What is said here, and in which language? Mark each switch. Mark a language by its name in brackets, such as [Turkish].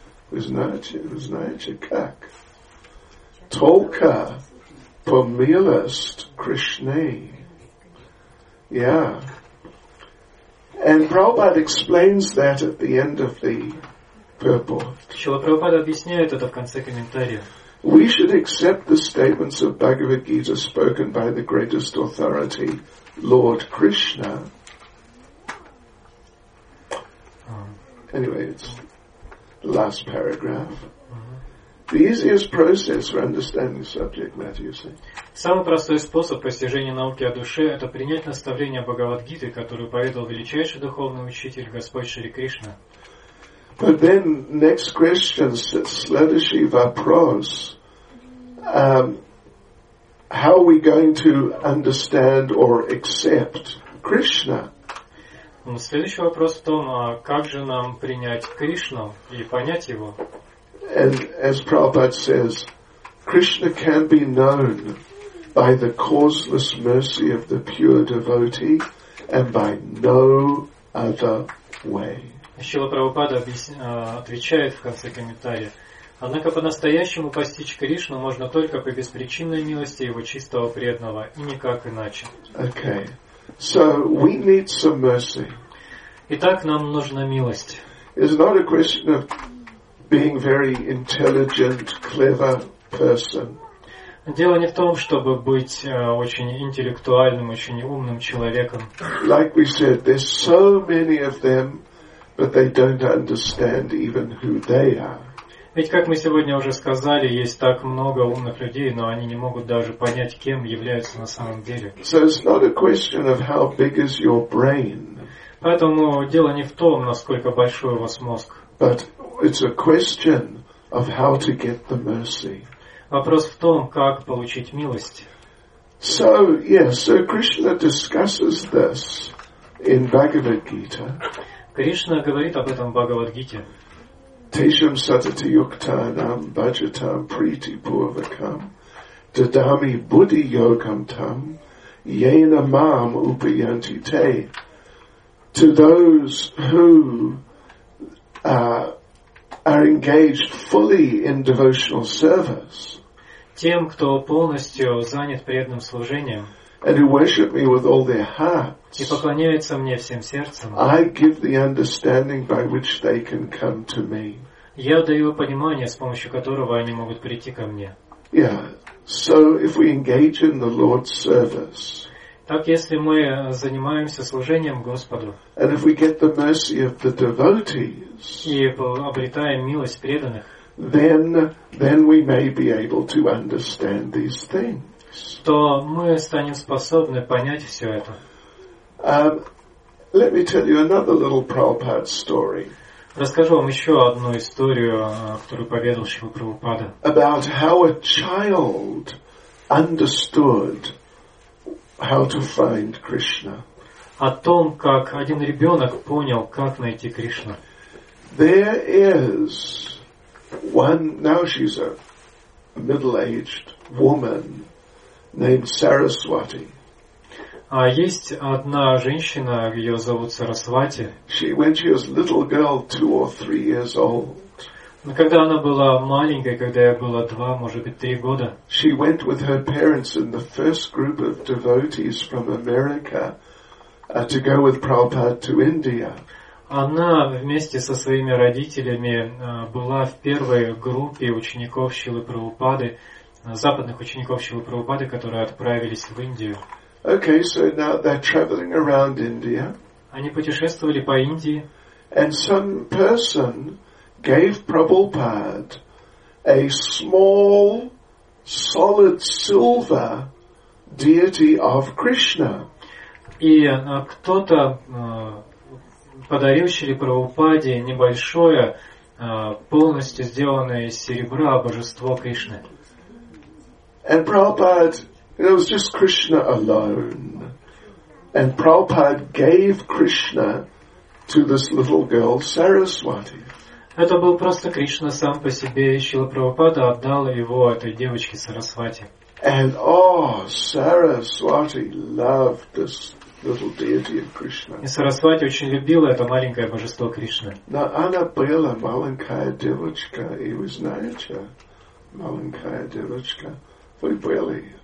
[Russian] Вы знаете, как? Только по милости Кришне. [English] Yeah. And Prabhupada explains that at the end of the purport. [Russian] Шрила Прабхупада объясняет это в конце комментария. [English] We should accept the statements of Bhagavad Gita spoken by the greatest authority, Lord Krishna. Anyway, it's the last paragraph. The easiest process for understanding subject matter, you see. [Russian] Самый простой способ постижения науки о душе – это принять наставления Бхагавад-гиты, которую поведал величайший духовный учитель Господь Шри Кришна. [English] But then next question, [Russian] следующий вопрос: [English] how are we going to understand or accept Krishna? [Russian] Следующий вопрос в том, а как же нам принять Кришну и понять его? [English] And as Prabhupada says, Krishna can be known by the causeless mercy of the pure devotee and by no other way. [Russian] Шрила Прабхупада отвечает в конце комментария. Однако по-настоящему постичь Кришну можно только по беспричинной милости Его чистого преданного и никак иначе. [English] Okay. So we need some mercy. [Russian] Итак, нам нужна милость. [English] It's not a question of being very intelligent, clever person. [Russian] Дело не в том, чтобы быть очень интеллектуальным, очень умным человеком. [English] Like we said, there's so many of them, but they don't understand even who they are. [Russian] Ведь, как мы сегодня уже сказали, есть так много умных людей, но они не могут даже понять, кем являются на самом деле. [English] So it's not a question of how big is your brain. [Russian] Поэтому дело не в том, насколько большой у вас мозг. [English] But it's a question of how to get the mercy. [Russian] Вопрос в том, как получить милость. [English] So, yes, so Krishna discusses this in Bhagavad Gita. [Russian] Кришна говорит об этом в Бхагавад-гите. [Sanskrit] Tesham satati yuktanam bhajatam priti purvakam dadami buddhi yogam tam yena mam upayanti te. [English] To those who are engaged fully in devotional service, [Russian] тем, кто полностью занят преданным служением, [English] and who worship me with all their hearts, [Russian] и поклоняются мне всем сердцем, [English] I give the understanding by which they can come to me. [Russian] Я даю понимание, с помощью которого они могут прийти ко мне. [English] Yeah. So if we engage in the Lord's service, [Russian] Так, если мы занимаемся служением Господу, [English] and if we get the mercy of the devotees, [Russian] и обретаем милость преданных, [English] then we may be able to understand these things. [Russian] То мы станем способны понять все это. [English] Let me tell you another little Prabhupada story. [Russian] Расскажу вам еще одну историю, которую поведал Шрила Прабхупада. [English] About how a child understood how to find Krishna. [Russian] О том, как один ребенок понял, как найти Кришну. [English] There is one. Now she's a middle-aged woman named Saraswati. [Russian] А есть одна женщина, ее зовут Сарасвати. [English] When she was a little girl, 2 or 3 years old. [Russian] Но когда она была маленькой, когда ей было 2, может быть, 3 года. [English] She went with her parents in the first group of devotees from America to go with Prabhupada to India. [Russian] Она вместе со своими родителями была в первой группе учеников Шрилы Прабхупады, западных учеников Шрилы Прабхупады, которые отправились в Индию. [English] Okay, so now they're traveling around India. [Russian] Они путешествовали по Индии. [English] And some person gave Prabhupada a small solid silver deity of Krishna. [Russian] И кто-то подарил Шри Прабхупаде небольшое полностью сделанное из серебра божество Кришны. [English] And Prabhupada, it was just Krishna alone, and Prabhupada gave Krishna to this little girl Saraswati. [Russian] Это был просто Кришна сам по себе, и Шрила Прабхупада отдал его этой девочке Сарасвати. [English] And oh, Saraswati loved this little deity of Krishna. [Russian] И Сарасвати очень любила это маленькое божество Кришны. Но она была маленькая девочка, и вы знаете, маленькая девочка, вы были.